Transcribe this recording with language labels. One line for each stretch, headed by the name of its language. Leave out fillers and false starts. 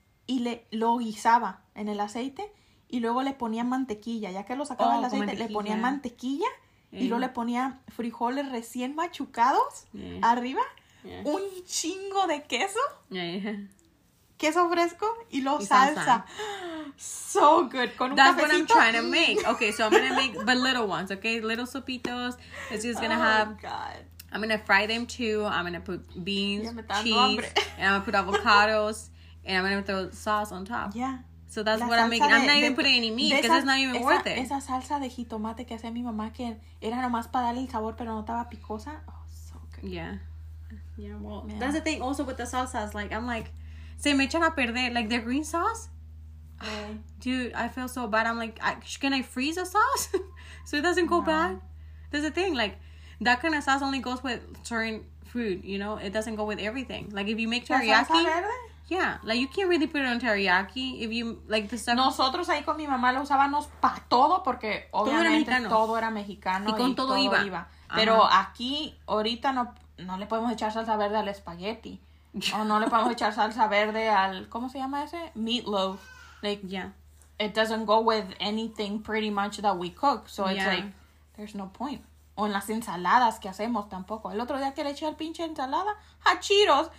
Spanish: Y lo guisaba en el aceite. Y luego le ponía mantequilla, ya que lo sacaba el aceite, le ponía mantequilla y luego le ponía frijoles recién machucados arriba, un chingo de queso, queso fresco y luego salsa.
English: So good,
Spanish: con un
English: cafecito. That's what I'm trying to make. Okay, so I'm going to make the little ones, okay? Little sopitos. It's just going to I'm going to fry them too. I'm going to put beans, cheese, and I'm going to put avocados, and I'm going to throw sauce on top. Yeah. So that's la what I'm making. I'm not even putting any meat because it's not even worth it.
Spanish: Esa salsa de jitomate que hacía mi mamá que era nomás para darle el sabor pero no estaba picosa.
English: Oh, so good. Yeah. That's the thing also with the salsas. Like, I'm like,
Spanish: se me echan a perder.
English: Like, the green sauce? Dude, I feel so bad. I'm like, can I freeze a sauce? So it doesn't go bad? That's the thing. Like, that kind of sauce only goes with certain food, you know? It doesn't go with everything. Like, if you make teriyaki... Yeah, like you can't really put it on teriyaki if you like the stuff.
Spanish: Nosotros ahí con mi mamá lo usábamos para todo porque obviamente todo era mexicano y con todo, todo iba. Pero aquí ahorita no le podemos echar salsa verde al espagueti o no le podemos echar salsa verde al ¿cómo se llama ese?
English: Meatloaf. Like it doesn't go with anything pretty much that we cook. So it's like there's no point.
Spanish: O en las ensaladas que hacemos tampoco. El otro día que le eché al pinche ensalada, hachiros.